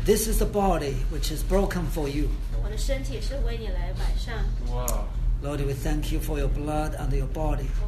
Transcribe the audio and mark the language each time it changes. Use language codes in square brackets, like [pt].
[en] this is the body which is broken for you. [zh] 我的身体是为你来摆上。 [en] Wow. Lord, we thank you for your blood and your body.